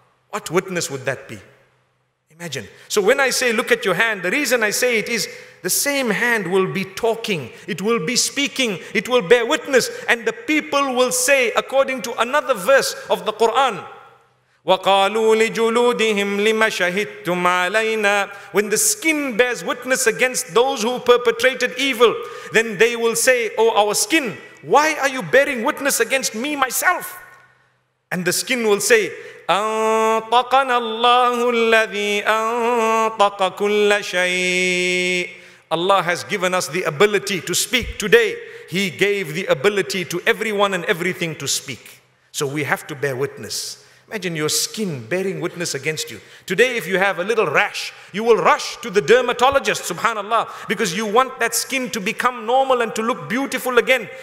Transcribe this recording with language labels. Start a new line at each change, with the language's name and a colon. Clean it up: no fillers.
English: What witness would that be? Imagine. So when I say look at your hand, the reason I say it is the same hand will be talking, it will be speaking, it will bear witness, and the people will say, according to another verse of the Quran,
Arabic: وَقَالُوا لِجُلُودِهِمْ لِمَ شَهِدْتُمْ عَلَيْنَا.
English: When the skin bears witness against those who perpetrated evil, then they will say, oh our skin, why are you bearing witness against me myself? And the skin will say,
Arabic: أَنْطَقَنَا اللَّهُ الَّذِي أَنْطَقَ كُلَّ شَيْءٍ.
English: Allah has given us the ability to speak today. He gave the ability to everyone and everything to speak. So we have to bear witness. Imagine your skin bearing witness against you. Today, if you have a little rash, you will rush to the dermatologist, subhanAllah, because you want that skin to become normal and to look beautiful again.